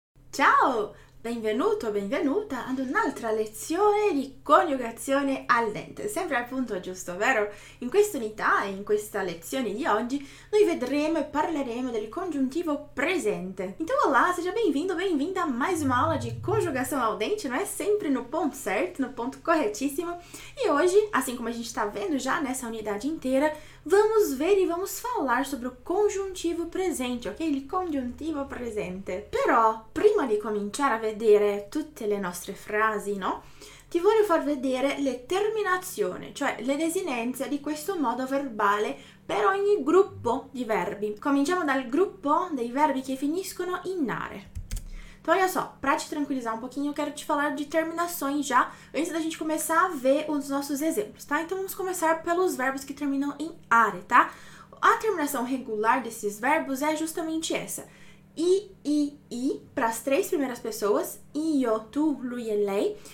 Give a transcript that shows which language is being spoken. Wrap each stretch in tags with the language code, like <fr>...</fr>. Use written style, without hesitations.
<it>Ciao, benvenuto, benvenuta ad un'altra lezione di coniugazione al dente. Sempre al punto giusto, vero? In quest'unità e in questa lezione di oggi, noi vedremo e parleremo del congiuntivo presente.</it> <pt>Então, olá, seja bem-vindo, bem-vinda a mais uma aula de conjugação ao dente, não é? Sempre no ponto certo, no ponto corretíssimo. E hoje, assim como a gente está vendo já nessa unidade inteira, vamos ver e vamos falar sobre o congiuntivo presente, ok?</pt> <it>Il congiuntivo presente. Però, prima di cominciare a vedere tutte le nostre frasi, no? Ti voglio far vedere le terminazioni, cioè le desinenze di questo modo verbale per ogni gruppo di verbi. Cominciamo dal gruppo dei verbi che finiscono in "-are".</it> <pt>Então, olha só, para te tranquilizar um pouquinho, eu quero te falar de terminações já, antes da gente começar a ver os nossos exemplos, tá? Então, vamos começar pelos verbos que terminam em "-are", tá? A terminação regular desses verbos é justamente essa. I, para as três primeiras pessoas. Io, tu, lui e lei.</pt>